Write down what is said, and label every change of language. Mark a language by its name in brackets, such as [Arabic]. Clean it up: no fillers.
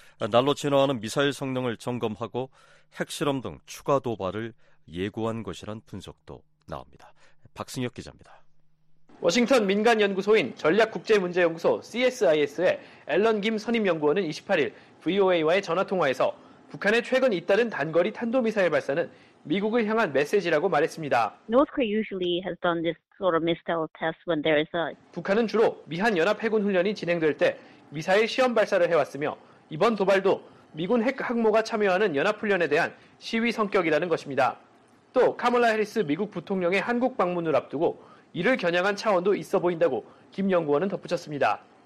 [Korean] 날로 진화하는 미사일 성능을 점검하고 핵실험 등 추가 도발을 예고한 것이란 분석도 나옵니다. 박승혁 기자입니다. 워싱턴 민간연구소인 전략국제문제연구소 CSIS의 앨런 김 선임연구원은 28일 VOA와의 전화통화에서 북한의 최근 잇따른 단거리 탄도미사일 발사는 미국을 향한 메시지라고 말했습니다. [English] North Korea usually has done this sort of missile test when there is a [Korean] 북한은 주로 미한연합해군 훈련이 진행될 때 미사일 시험 발사를 해왔으며 이번 도발도 미군 핵 항모가 참여하는 연합훈련에 대한 시위 성격이라는 것입니다. 또 카멀라 해리스 미국 부통령의 한국 방문을 앞두고 이를 겨냥한 차원도 있어 보인다고 김 연구원은 덧붙였습니다.